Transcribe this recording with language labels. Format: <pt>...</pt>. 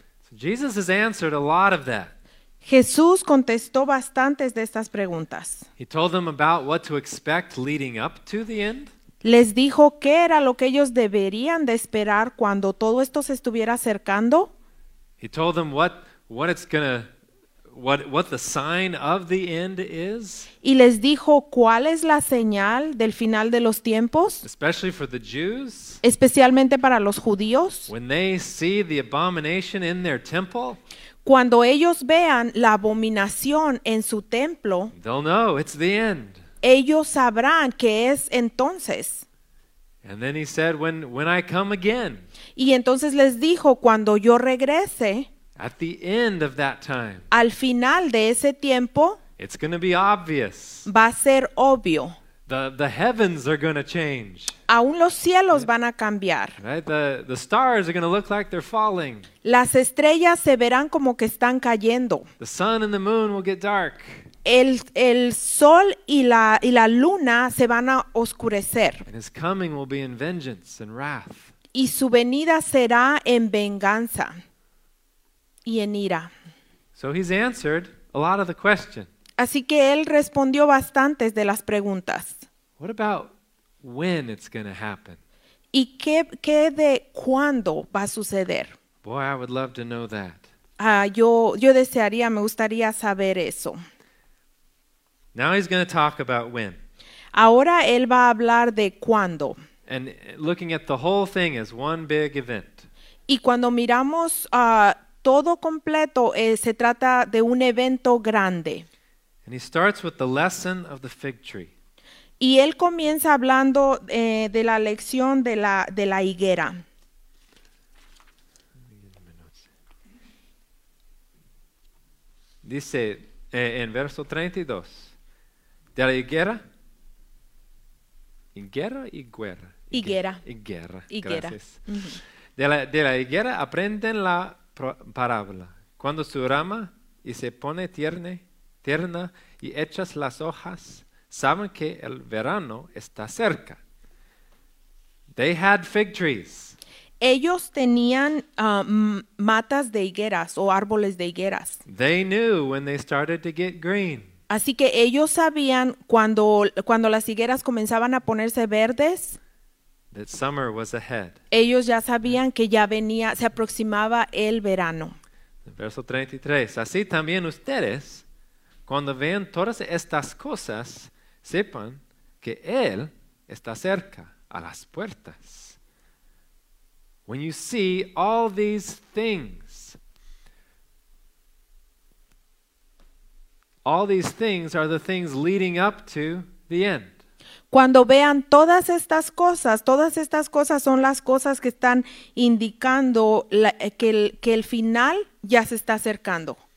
<en>So Jesus has answered a lot of that.</en> <es>Jesús contestó bastantes de estas preguntas.</es> <en>He told them about what to expect leading up to the end.</en> <es>Les dijo qué era lo que ellos deberían de esperar cuando todo esto se estuviera acercando.</es> <en>He told them what the sign of the end is.</en> <es>Y les dijo cuál es la señal del final de los tiempos.</es> <en>Especially for the Jews.</en> <es>Especialmente para los judíos.</es> <en>When they see the abomination in their temple.</en> <es>Cuando ellos vean la abominación en su templo.</es> <en>They'll know it's the end.</en> <es>Ellos sabrán que es entonces.</es> <en>And then he said, when I come again.</en> <es>Y entonces les dijo, cuando yo regrese,</es> <en>at the end of that time,</en> <es>al final de ese tiempo,</es> <en>it's gonna be obvious.</en> <es>Va a ser obvio.</es> <en>The heavens are gonna change.</en> <es>Aún los cielos van a cambiar.</es> <en>Right? The stars are gonna look like they're falling.</en> <es>Las estrellas se verán como que están cayendo.</es> <en>The sun and the moon will get dark.</en> <es>El sol y la luna se van a oscurecer.</es> <en>And his coming will be in vengeance and wrath.</en> <es>Y su venida será en venganza y en ira.</es> <en>So he's answered a lot of the question.</en> <es>Así que él respondió bastantes de las preguntas.</es> <en>What about when it's gonna happen?</en> <es>¿Y qué de cuándo va a suceder?</es> <en>Boy, I would love to know that.</en> <es>Yo desearía, me gustaría saber eso.</es> <en>Now he's going to talk about when.</en> <es>Ahora él va a hablar de cuándo.</es> <en>And looking at the whole thing as one big event.</en> <es>Y cuando miramos todo completo, se trata de un evento grande.</es> <en>And he starts with the lesson of the fig tree.</en> <es>Y él comienza hablando de la lección de la higuera. Dice en verso 32. De la higuera. Higuera y guerra. Higuera. Higuera. Higuera. De la higuera aprenden la parábola. Cuando su rama y se pone tierna y echas las hojas, saben que el verano está cerca.</es> <en>They had fig trees.</en> <es>Ellos tenían matas de higueras o árboles de higueras.</es> <en>They knew when they started to get green.</en> <es>Así que ellos sabían cuando las higueras comenzaban a ponerse verdes,</es> <en>that summer was ahead.</en> <es>Ellos ya sabían que ya venía, se aproximaba el verano. Verso 33. Así también ustedes, cuando vean todas estas cosas, sepan que Él está cerca a las puertas.</es> <en>When you see all these things, All these things are the things leading up to the end.</en> <es>Cuando vean todas estas cosas son las cosas que están indicando la, que el final ya se está acercando.</es>